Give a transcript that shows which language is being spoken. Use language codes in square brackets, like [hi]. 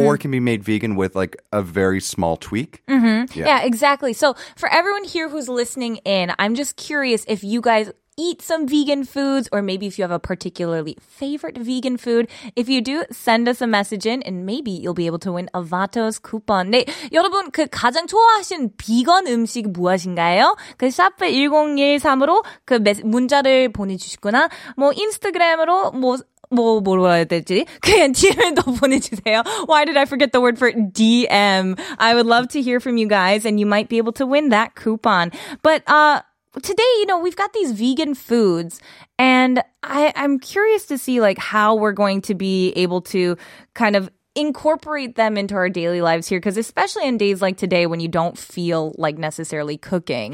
[en] or can be made vegan with, like, a very small tweak. Mm-hmm. Yeah. Yeah, exactly. So for everyone here who's listening in, I'm just curious if you guys eat some vegan foods, or maybe if you have a particularly favorite vegan food. If you do, send us a message in and maybe you'll be able to win a Vato's coupon. [ko] 네, 여러분, 그 가장 좋아하시는 비건 음식 무엇인가요? 그 샵1013으로 그 문자를 보내주시거나 뭐 인스타그램으로 뭐 해야 되지? 그냥 DM에도 보내주세요. [en] Why did I forget the word for DM? I would love to hear from you guys and you might be able to win that coupon. But, today, you know, we've got these vegan foods, and I'm curious to see, like, how we're going to be able to kind of incorporate them into our daily lives here, because especially in days like today when you don't feel like necessarily cooking,